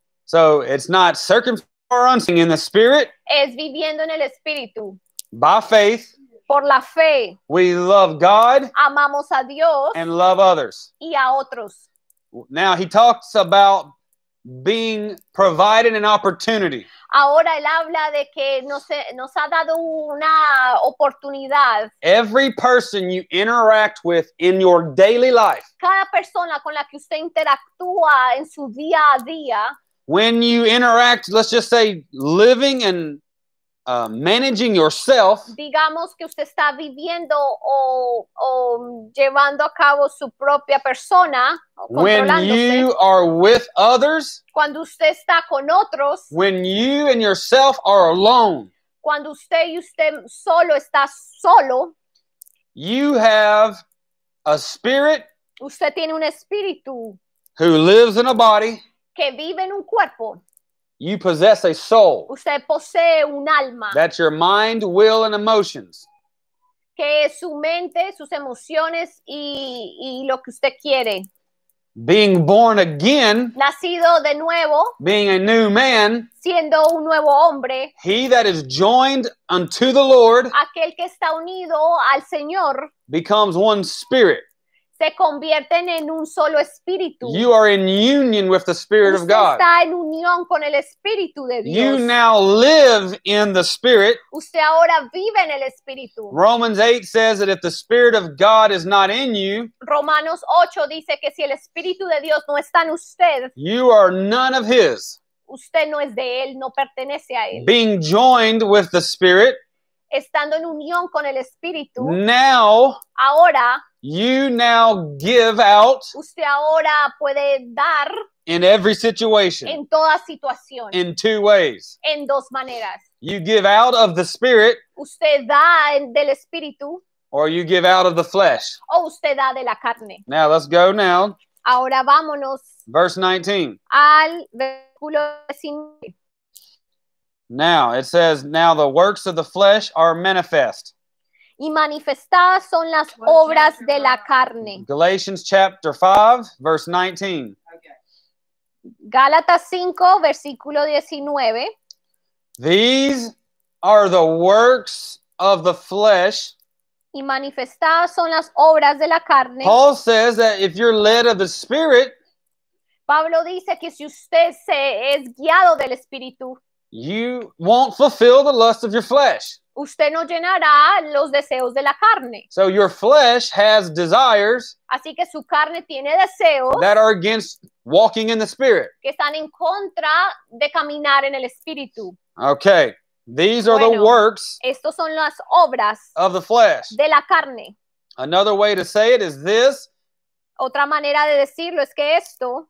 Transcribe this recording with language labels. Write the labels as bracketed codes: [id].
[en] So it's not circumcising in the Spirit. [es] Es viviendo en el Espíritu. [en] By faith. [es] Por la fe. [en] We love God. [es] Amamos a Dios. [en] And love others. [es] Y a otros. [en] Now he talks about being provided an opportunity. [es] Ahora él habla de que nos ha dado una oportunidad. [en] Every person you interact with in your daily life. [es] Cada persona con la que usted interactúa en su día a día. [en] When you interact, let's just say, living and managing yourself. [es] Digamos que usted está viviendo o llevando a cabo su propia persona. [en] When you are with others. [es] Cuando usted está con otros. [en] When you and yourself are alone. [es] Cuando usted y usted solo está solo. [en] You have a spirit. [es] Usted tiene un espíritu. [en] Who lives in a body. [es] Que vive en un cuerpo. [en] You possess a soul. [es] Usted posee un alma. [en] That's your mind, will, and emotions. [es] Que es su mente, sus emociones, y lo que usted quiere. [en] Being born again. [es] Nacido de nuevo. [en] Being a new man. [es] Siendo un nuevo hombre. [en] He that is joined unto the Lord. [es] Aquel que está unido al Señor. [en] Becomes one spirit. [es] Se convierten en un solo espíritu. [en] You are in union with the Spirit [es] usted [en] of God. [es] Está en unión con el Espíritu de Dios. [en] You now live in the Spirit. [es] Usted ahora vive en el Espíritu. [en] Romans 8 says that if the Spirit of God is not in you, [es] Romanos 8 dice que si el Espíritu de Dios no está en usted, [en] you are none of His. [es] Usted no es de Él, no pertenece a Él. [en] Being joined with the Spirit, [es] estando en unión con el Espíritu, [en] now, [es] ahora, [en] You now give out. [es] Usted ahora puede dar. [en] In every situation. [es] En toda situación. [en] In two ways. [es] En dos maneras. [en] You give out of the spirit. [es] Usted da del espíritu. [en] Or you give out of the flesh. [es] O usted da de la carne. [en] Now let's go now. [es] Ahora vámonos. [en] Verse 19. [es] Al versículo 19. [en] Now it says, now the works of the flesh are manifest. [es] Y manifestadas son las obras de la carne. [en] Galatians chapter 5, verse 19. [es] Gálatas 5, versículo 19. [en] These are the works of the flesh. [es] Y manifestadas son las obras de la carne. [en] Paul says that if you're led of the Spirit, [es] Pablo dice que si usted se es guiado del Espíritu, [en] you won't fulfill the lust of your flesh. [es] Usted no llenará los deseos de la carne. [en] So your flesh has desires. [es] Así que su carne tiene deseos. [en] That are against walking in the Spirit. [es] Que están en contra de caminar en el Espíritu. [en] Okay. These are [es] bueno, [en] the works. [es] Estos son las obras. [en] Of the flesh. [es] De la carne. [en] Another way to say it is this. [es] Otra manera de decirlo es que esto.